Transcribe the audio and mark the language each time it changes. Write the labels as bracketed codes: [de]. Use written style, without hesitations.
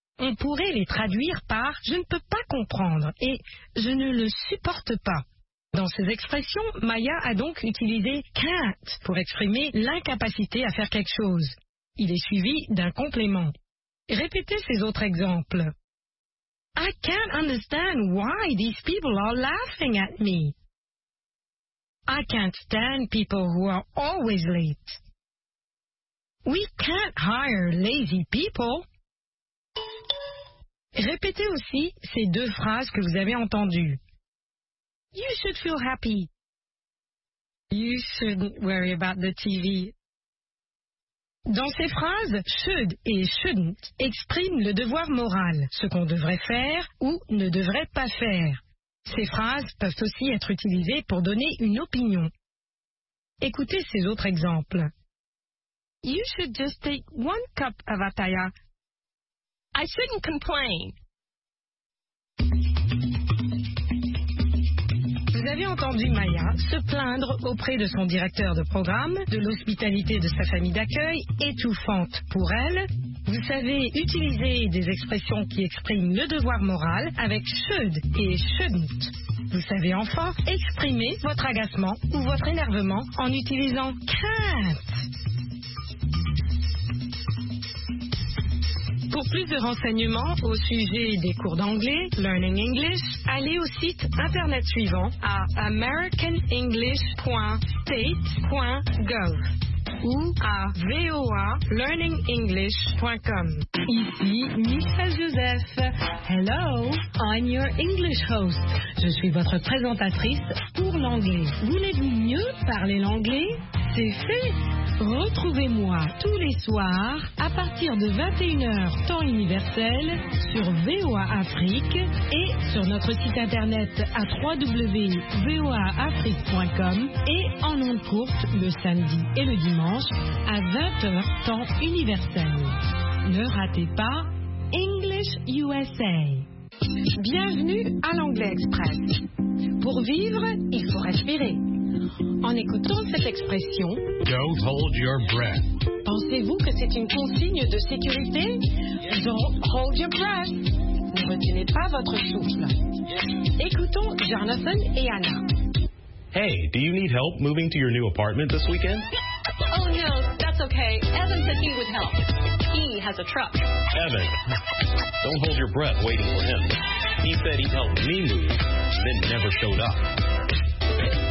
[fr] On pourrait les traduire par « je ne peux pas comprendre » et « je ne le supporte pas ». Dans ces expressions, Maya a donc utilisé « can't » pour exprimer l'incapacité à faire quelque chose. Il est suivi d'un complément. Répétez ces autres exemples. [en] I can't understand why these people are laughing at me. I can't stand people who are always late. We can't hire lazy people. [fr] Répétez aussi ces deux phrases que vous avez entendues. [en] You should feel happy. You shouldn't worry about the TV. [fr] Dans ces phrases, « should » et « shouldn't » expriment le devoir moral, ce qu'on devrait faire ou ne devrait pas faire. Ces phrases peuvent aussi être utilisées pour donner une opinion. Écoutez ces autres exemples. [en] You should just take one cup of Ataya. I shouldn't complain. [fr] Vous avez entendu Maya se plaindre auprès de son directeur de programme de l'hospitalité de sa famille d'accueil étouffante pour elle. Vous savez utiliser des expressions qui expriment le devoir moral avec should et shouldn't. Vous savez enfin exprimer votre agacement ou votre énervement en utilisant can't. Pour plus de renseignements au sujet des cours d'anglais, Learning English, allez au site internet suivant à americanenglish.state.gov ou à voalearningenglish.com. Ici Michel Joseph. [en] Hello, I'm your English host. [fr] Je suis votre présentatrice pour l'anglais. Voulez-vous mieux parler l'anglais? C'est fait! Retrouvez-moi tous les soirs à partir de 21h temps universel sur VOA Afrique et sur notre site internet à www.voaafrique.com et en onde courte le samedi et le dimanche à 20h temps universel. Ne ratez pas English USA. Bienvenue à l'Anglais Express. Pour vivre, il faut respirer. En écoutant cette expression, [en] Don't hold your breath. [fr] Pensez-vous que c'est une consigne de sécurité? [en] Don't hold your breath. [fr] Ne retenez pas votre souffle. Écoutons Jonathan et Anna. [en] Hey, do you need help moving to your new apartment this weekend? Oh no, that's okay. Evan said he would help. He has a truck. Evan, don't hold your breath waiting for him. He said he'd help me move, then never showed up.